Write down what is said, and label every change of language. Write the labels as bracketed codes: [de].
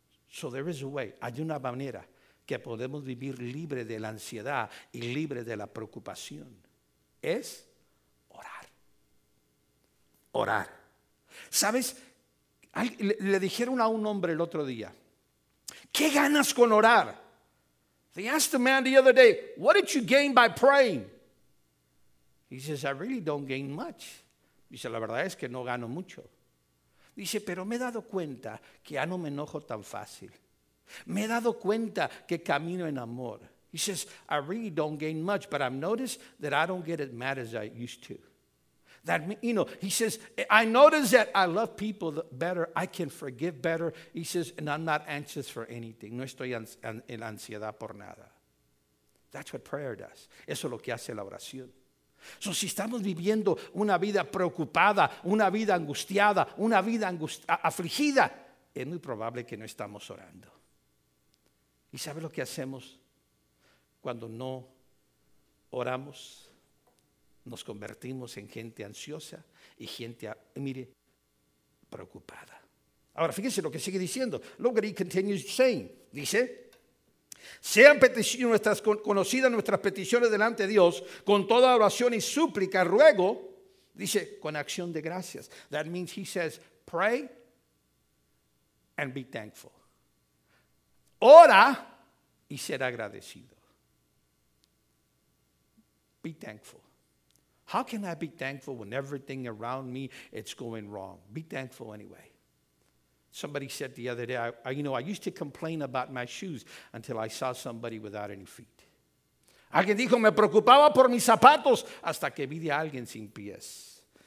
[en] So there is a way, [es] hay una manera que podemos vivir libre de la ansiedad y libre de la preocupación. Es orar. Orar. ¿Sabes? Le dijeron a un hombre el otro día, ¿Qué ganas con orar? [en] They asked the man the other day, what did you gain by praying? He says, I really don't gain much. [es] Dice, la verdad es que no gano mucho. Dice, pero me he dado cuenta que ya no me enojo tan fácil. Me he dado cuenta que camino en amor. [en] He says, I really don't gain much, but I've noticed that I don't get as mad as I used to. That, you know, he says, I notice that I love people better, I can forgive better. He says, and I'm not anxious for anything. [es] No estoy en ansiedad por nada. [en] That's what prayer does. [es] Eso es lo que hace la oración. So, si estamos viviendo una vida preocupada, una vida angustiada, una vida afligida, es muy probable que no estamos orando. ¿Y sabe lo que hacemos cuando no oramos? Nos convertimos en gente ansiosa y gente, mire, preocupada. Ahora, fíjense lo que sigue diciendo. [en] Look what he continues saying. [es] Dice, sean conocidas nuestras peticiones delante de Dios con toda oración y súplica, ruego, dice, con acción de gracias. [en] That means he says, pray and be thankful. [es] Ora y ser agradecido. [en] Be thankful. How can I be thankful when everything around me it's going wrong? Be thankful anyway. Somebody said the other day, I used to complain about my shoes until I saw somebody without any feet. [es] Alguien dijo, me preocupaba por mis zapatos hasta que vi a alguien sin pies.